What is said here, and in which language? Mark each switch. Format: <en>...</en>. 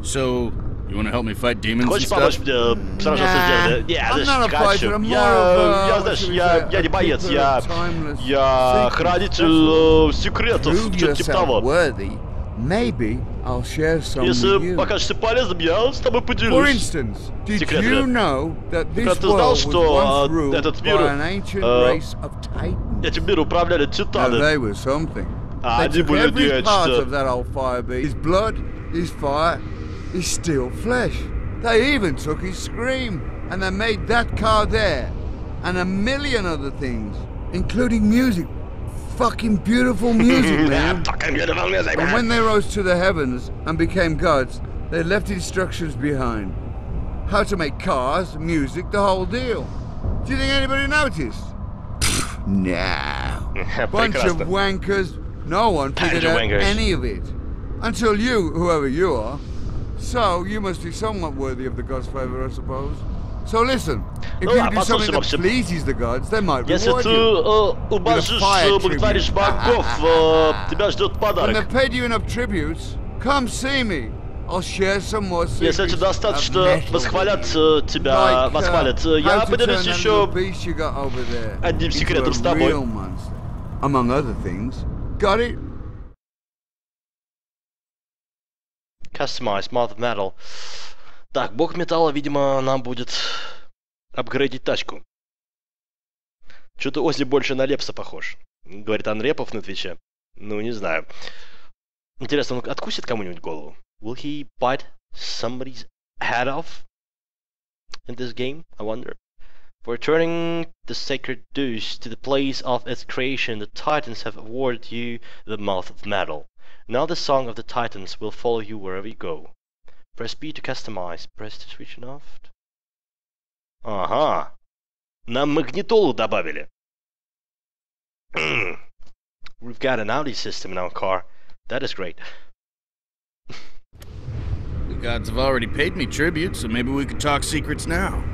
<en>So, you wanna help me fight demons?</en> <ru>Хочешь помочь мне сражаться с демонами?</ru> <en>Yeah, I'm not a fighter, I'm more of a...</en> <ru>Я не боец, я хранитель секретов, что-то типа того.</ru> <en>Maybe I'll share some with you.</en> <ru>Если покажешься полезным, я с тобой поделюсь.</ru> <en>For instance, did you know that this world was once ruled by an ancient race of titans?</en> <ru>Этим миром управляли титаны.</ru> <en>Now they were something.</en> <ru>Они были нечто.</ru> <en>Every part of that old fire beast, his blood, his fire, his steel flesh. They even took his scream, and they made that car there, and a million other things, including music. Fucking beautiful music, man. Fucking beautiful music, man. And when they rose to the heavens and became gods, they left instructions behind. How to make cars, music, the whole deal. Do you think anybody noticed? Nah. Bunch of wankers. No one figured out any of it. Until you, whoever you are. So, you must be somewhat worthy of the gods' favor, I suppose. So listen, if you do something that pleases the gods, they might reward you.</en> <ru>Если ты уважишь, благотворишь богов, тебя ждет подарок.</ru> <en>When they've paid you enough tributes, come see me. I'll share some more secrets.</en> <ru>Если тебе достаточно восхвалят тебя, восхвалят, я поделюсь еще одним секретом с тобой.</ru> <en>Among other things. Got it? Customize Mother Metal.</en> <ru>Так, бог металла, видимо, нам будет апгрейдить тачку. Чё-то Оззи больше на Лепса похож. Говорит Анрепов на Твиче. Ну, не знаю. Интересно, он откусит кому-нибудь голову?</ru> <en>Will he bite somebody's head off in this game, I wonder? For returning the sacred deuce to the place of its creation, the Titans have awarded you the Mouth of Metal. Now the song of the Titans will follow you wherever you go. Press B to customize. Press to switch off. Ага.</en> <ru>Нам магнитолу добавили.</ru> <en>We've got an Audi system in our car. That is great. The gods have already paid me tribute, so maybe we could talk secrets now.</en>